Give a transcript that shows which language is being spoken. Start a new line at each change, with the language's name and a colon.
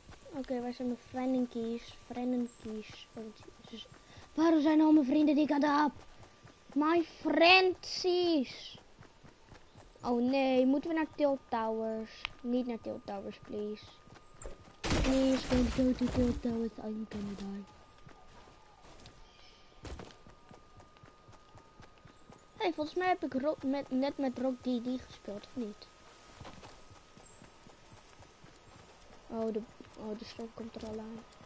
Dutch: Oké, waar zijn mijn vriendenkies? Oh, Jesus. Waarom zijn al mijn vrienden die ik had op?
English: My friendsies!
Dutch: Oh nee, moeten we naar Tilt Towers? Niet naar Tilt Towers, please.
English: Please don't go to Tilt Towers, I'm gonna die.
Dutch: Hey, volgens mij heb ik net met Rock DD gespeeld, of niet? Oh, de stroom komt er al aan.